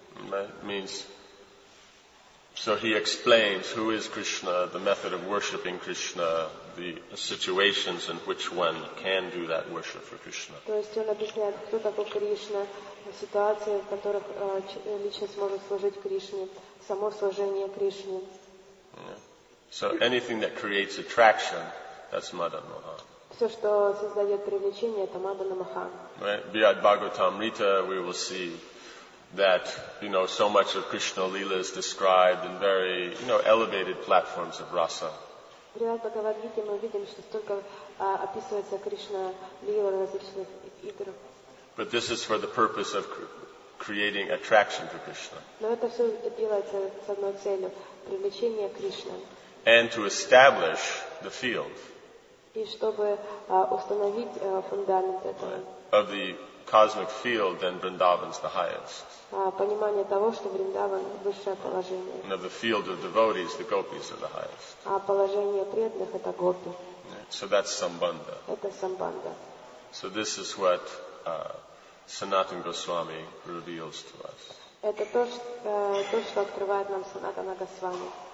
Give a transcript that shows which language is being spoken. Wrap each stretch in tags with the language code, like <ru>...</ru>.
<en>That means, so he explains who is Krishna, the method of worshipping Krishna, the situations in which one can do that worship for Krishna.</en> <ru>То есть он объясняет, кто такой Кришна, ситуации, в которых личность может служить Кришне, само служение Кришне.</ru> <en>So anything that creates attraction, that's Madana Mohan.</en> <ru>Все, что создает привлечение, это Мадана Мохан.</ru> <en>Бхагавад Бхагаватамрита, we will see that, you know, so much of Krishna Leela is described in very, you know, elevated platforms of rasa.</en> <ru>Бхагавад Бхагаватамрита, мы видим, что столько описывается Кришна Лила в различных играх.</ru> <en>But this is for the purpose of creating attraction to Krishna.</en> <ru>Но это все делается с одной целью — привлечение Кришны.</ru> <en>And to establish the field.</en> <ru>И чтобы установить фундамент этого.</ru> <en>Of the cosmic field, then Vrindavan's the highest.</en> <ru>Понимание того, что Вриндаван высшее положение.</ru> <en>And of the field of devotees, the gopis are the highest.</en> <ru>А положение преданных это гопи.</ru> <en>So that's sambandha.</en> <ru>Это самбанда.</ru> <en>So this is what Sanatana Goswami reveals to us.</en> <ru>Это то, то, что открывает нам Санатана Госвами.</ru>